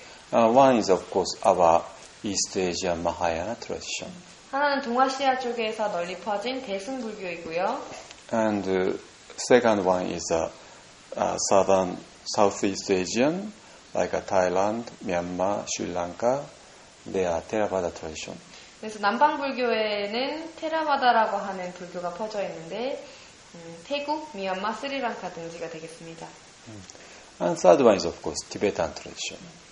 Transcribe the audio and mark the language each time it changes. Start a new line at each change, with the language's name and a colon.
English: One is of course our East Asia Mahayana tradition.
Korean: 하나는 동아시아 쪽에서 널리 퍼진 대승 불교이고요.
English: And second one is Southeast Asian, like Thailand, Myanmar, Sri Lanka. They are Theravada tradition.
Korean: 그래서 남방 불교에는 테라바다라고 하는 불교가 퍼져 있는데 태국, 미얀마, 스리랑카 등지가 되겠습니다.
English: And third one is of course Tibetan tradition.